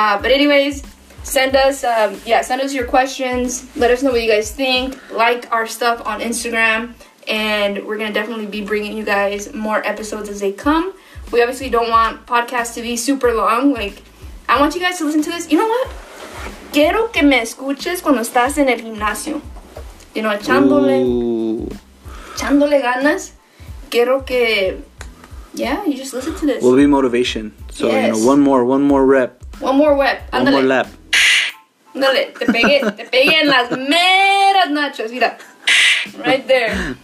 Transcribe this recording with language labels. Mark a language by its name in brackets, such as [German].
[English] But anyways, send us your questions. Let us know what you guys think. Like our stuff on Instagram. And we're going to definitely be bringing you guys more episodes as they come. We obviously don't want podcasts to be super long. Like, I want you guys to listen to this. You know what? [Spanish] Quiero que me escuches cuando estás en el gimnasio. [English] You know, [Spanish] echándole ganas. Quiero que, [English] yeah, you just listen to this. Will be motivation. So, yes. You know, one more rep. One more rep. One Andale. More lap. [Spanish] Andale, te pegué en las meras nachos, mira. [English] Right there.